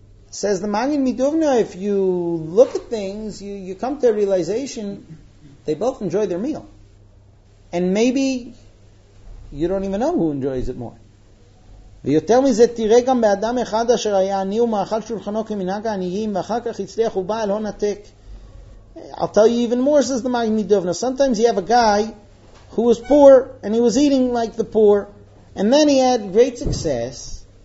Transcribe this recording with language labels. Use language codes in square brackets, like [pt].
[en] Says the Magen Midovna, if you look at things, you come to a realization, they both enjoy their meal. And maybe you don't even know who enjoys it more. [he] ויותר מזה תראה גם באדם אחד אשר היה עני ומאכל שולחנו כמנהג העניים ואחר כך הצליח ובא אל הון עתק. [en] I'll tell you even more, says the Magen Midovna. Sometimes you have a guy who was poor and he was eating like the poor, and then he had great success.